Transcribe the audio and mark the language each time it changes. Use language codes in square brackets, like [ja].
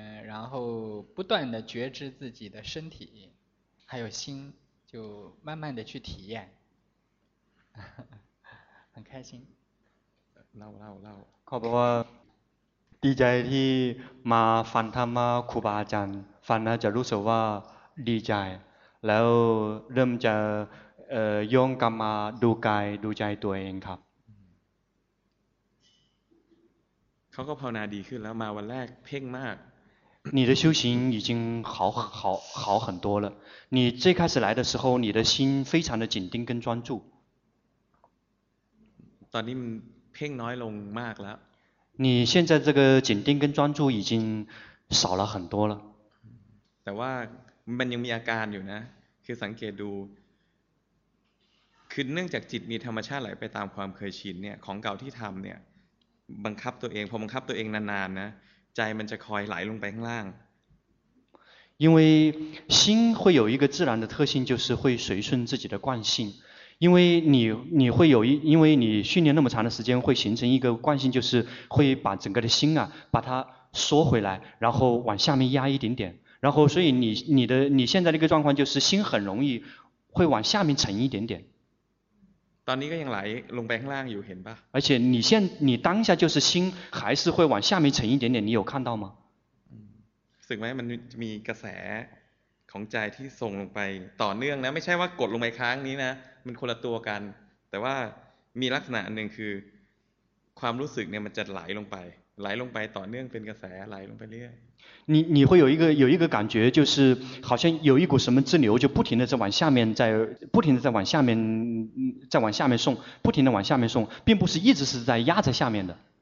[zh] 然后不断的觉知自己的身体，还有心，就慢慢的去体验。很开心 [th] เล่า ขอบอกว่าดีใจที่มาฟังธรรมะครูบาอาจารย์ฟังแล้วจะรู้สึกว่าดีใจแล้วเริ่มจะย้อนกลับมาดูกายดูใจตัวเองครับ เขาก็ภาวนาดีขึ้นแล้วมาวันแรกเพ่งมาก [zh] 你的修行已经好很多了你最开始来的时候你的心非常的紧盯跟专注 [th] ตอนนี้มันเพ่งน้อยลงมากแล้ว [zh] 你现在这个紧盯跟专注已经少了很多了 [th] แต่ว่ามันยังมีอาการอยู่นะคือสังเกตดูคือเนื่องจากจิตมีธรรมชาติไหลไปตามความเคยชินเนี่ยของเก่าที่ทำเนี่ยบังคับตัวเองพอบังคับตัวเองนานๆนะใจมันจะคอยไหลลงไปข้างล่าง [zh] 因为心会有一个自然的特性就是会随顺自己的惯性因为你会有因为你训练那么长的时间会形成一个惯性就是会把整个的心啊把它缩回来然后往下面压一点点然后所以你现在的一个状况就是心很容易会往下面沉一点点 [th] ตอนนี้ก็ยังไหลลงไปข้างล่างอยู่เห็นป่ะ [zh] 而且你当下就是心还是会往下面沉一点点你有看到吗 [th] สึกไหมมันมีกระแสของใจที่ส่งลงไปต่อเนื่องนะไม่ใช่ว่ากดลงไปค้างนี้นะมันคนละตัวกันแต่ว่ามีลักษณะอันหนึ่งคือความรู้สึกเนี่ยมันจะไหลลงไปไหลลงไปต่อเนื่องเป็นกระแสไหลลงไปเรื่อย [zh] 你会有一个感觉就是好像有一股什么支流就不停的在往下面在不停的在往下面在往下面送不停的往下面送并不是一直是在压在下面的